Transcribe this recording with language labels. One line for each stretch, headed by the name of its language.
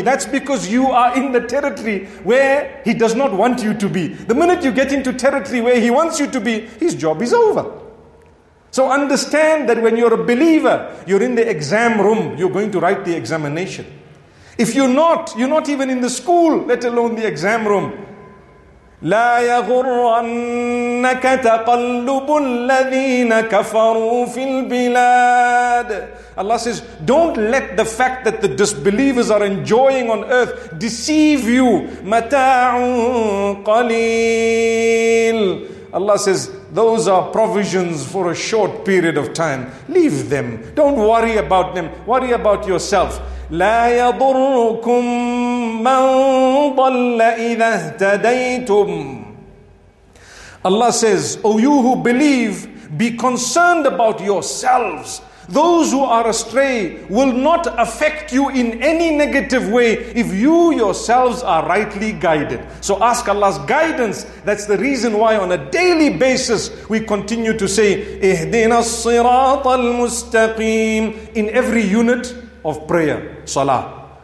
English: That's because you are in the territory where he does not want you to be. The minute you get into territory where he wants you to be, his job is over. So understand that when you're a believer, you're in the exam room, you're going to write the examination. If you're not, you're not even in the school, let alone the exam room.
Arabic: لا يغرنك تقلب الذين كفروا في البلاد.
English: Allah says, don't let the fact that the disbelievers are enjoying on earth deceive you.
Arabic: متاع قليل.
English: Allah says, those are provisions for a short period of time. Leave them. Don't worry about them. Worry about yourself.
Arabic: لا يضركم من ضل إذا اهتديتم.
English: Allah says, O you who believe, be concerned about yourselves. Those who are astray will not affect you in any negative way if you yourselves are rightly guided. So ask Allah's guidance. That's the reason why on a daily basis we continue to say,
Arabic: اهدِنَا الصِّرَاطَ الْمُسْتَقِيمِ
English: in every unit of prayer, salah.